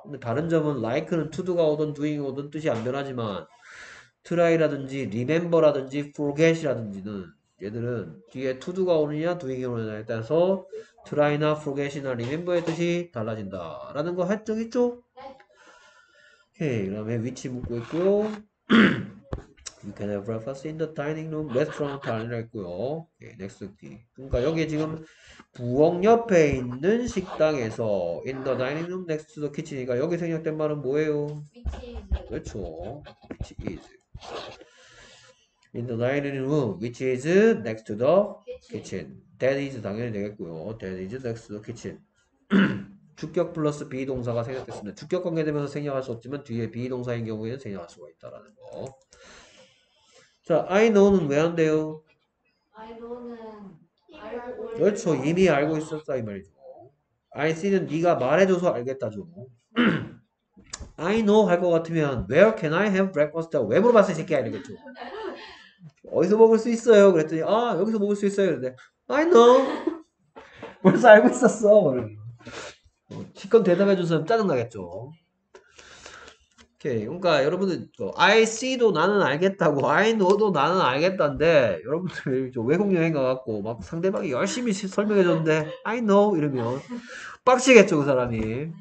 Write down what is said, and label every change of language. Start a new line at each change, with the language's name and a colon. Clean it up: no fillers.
Korean: 근데 다른 점은 like는 to do가 오든 doing이 오든 뜻이 안 변하지만 try라든지 remember라든지 forget이라든지는 얘들은 뒤에 to do가 오느냐 doing이 오느냐에 따라서 try나 forget이나 remember의 뜻이 달라진다 라는 거 할 적 있죠? 오케이, 그 다음에 위치 묻고 있고요.
English: You can have breakfast in the dining room, restaurant,
Korean: 다니라 했고요. Okay, next. 그러니까 여기 지금 부엌 옆에 있는 식당에서
English: in the dining room next to the kitchen
Korean: 이니까 여기 생략된 말은 뭐예요?
English: Which is. 그렇죠. Which is. In the dining room, which is next to the kitchen. That is
Korean: 당연히 되겠고요.
English: That is next to the kitchen.
Korean: 주격 플러스 비동사가 생략됐습니다. 주격 관계되면서 생략할 수 없지만 뒤에 비동사인 경우에는 생략할 수가 있다라는 거. 자, I know는 왜 안 돼요?
English: I know
Korean: 는 알고 그렇죠. 이미 알고 있었다 이 말이죠.
English: I see
Korean: 는 네가 말해줘서 알겠다죠.
English: I know 할 것 같으면 Where can I have breakfast?
Korean: 왜 물어봤어 이 새끼야 이러겠죠. 어디서 먹을 수 있어요? 그랬더니 아 여기서 먹을 수 있어요 그랬는데
English: I know
Korean: 벌써 알고 있었어. 시컷 대답해줘서 짜증나겠죠. 오케이. 그러니까 여러분들
English: I see
Korean: 도 나는 알겠다고
English: I know
Korean: 도 나는 알겠다인데 여러분들 외국 여행 가갖고 막 상대방이 열심히 설명해줬는데 I know 이러면 빡치겠죠 그 사람이.